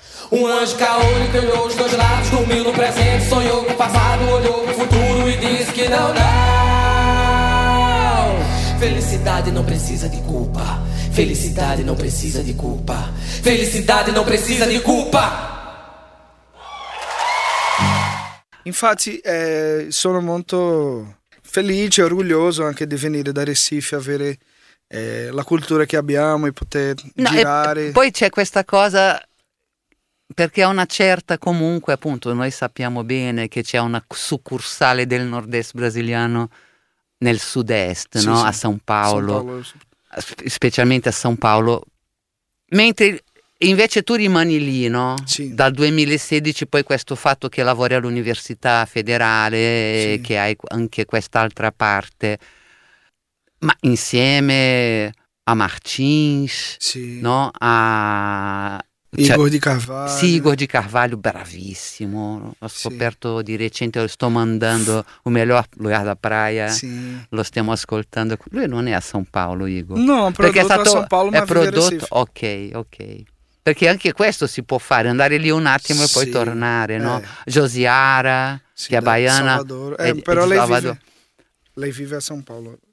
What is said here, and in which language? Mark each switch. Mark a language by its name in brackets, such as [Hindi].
[Portuguese] Um anjo caô, ele pegou os dois lados, dormiu no presente, sonhou com o passado, olhou pro futuro e disse que não, não. Felicidade não precisa de culpa. Felicidade não precisa de culpa. Felicidade não precisa de culpa. [Italian] Infatti, sono molto felice e orgulhoso anche di venire da Recife a vedere la cultura che abbiamo e poter girare. E poi c'è questa cosa, perché è una certa, comunque, appunto, noi sappiamo bene che c'è una succursale del nord-est brasiliano nel sud-est, sì, no? Sì. A San Paolo, specialmente a San Paolo, mentre invece tu rimani lì, no? Sì. Dal 2016, poi questo fatto che lavori all'Università Federale, sì, che hai anche quest'altra parte. Ma insieme a Martins, sì, no? A Igor de Carvalho. [Portuguese] Sim, Igor de Carvalho, bravíssimo. [Italian] Ascoperto di recente, [Portuguese] eu estou mandando o melhor lugar da praia. Sim. [Italian] Lo stiamo ascoltando. Lui non è a São Paulo, Igor. No, è prodotto a São Paulo, ma è prodotto. Ok, ok. Perché anche questo si può fare, andare lì un attimo e poi tornare, no? Josiara, sì, che è baiana. Salvador. Però lei Salvador. Lei vive a São Paulo.